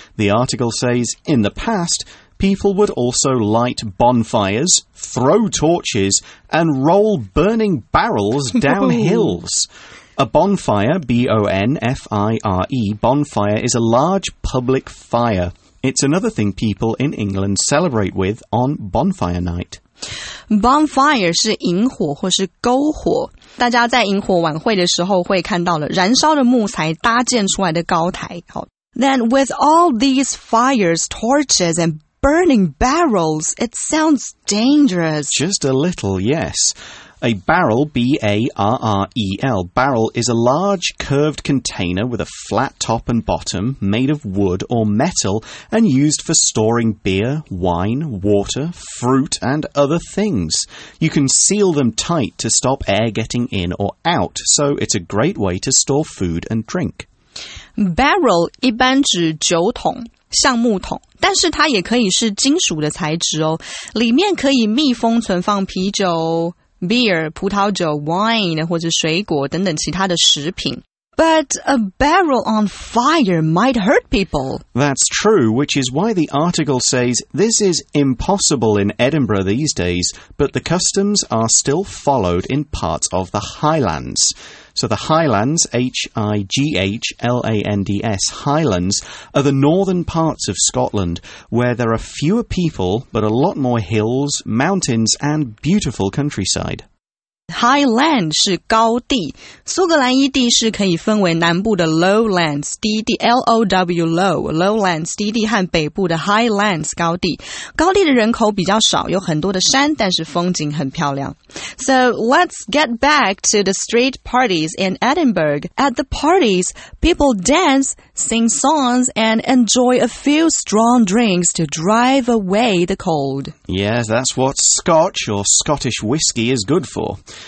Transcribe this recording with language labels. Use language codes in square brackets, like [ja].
[en] The article says, in the past, people would also light bonfires, throw torches, and roll burning barrels down hills. A bonfire, B-O-N-F-I-R-E, bonfire is a large public fire. It's another thing people in England celebrate with on bonfire night. [zh] Bonfire 是引火或是篝火。大家在引火晚会的时候会看到了燃烧的木材搭建出来的高台。好。 [en] Then with all these fires, torches and burning barrels, it sounds dangerous. Just a little, yes. A barrel, B-A-R-R-E-L, barrel is a large curved container with a flat top and bottom made of wood or metal and used for storing beer, wine, water, fruit and other things. You can seal them tight to stop air getting in or out, so it's a great way to store food and drink. [zh] Barrel 一般指酒桶。橡木桶，但是它也可以是金属的材质哦，里面可以密封存放啤酒、beer、葡萄酒、wine 或者水果等等其他的食品。 [en] But a barrel on fire might hurt people. That's true, which is why the article says this is impossible in Edinburgh these days, but the customs are still followed in parts of the Highlands. So the Highlands, H-I-G-H-L-A-N-D-S, Highlands, are the northern parts of Scotland, where there are fewer people, but a lot more hills, mountains, and beautiful countryside. [zh] Highland 是高地，苏格兰一地是可以分为南部的 Lowlands 低地 Lowlands 低地和北部的 Highlands 高地。高地的人口比较少，有很多的山，但是风景很漂亮。 [en] So let's get back to the street parties in Edinburgh. At the parties, people dance, sing songs, and enjoy a few strong drinks to drive away the cold. Yeah, that's what Scotch or Scottish whiskey is good for.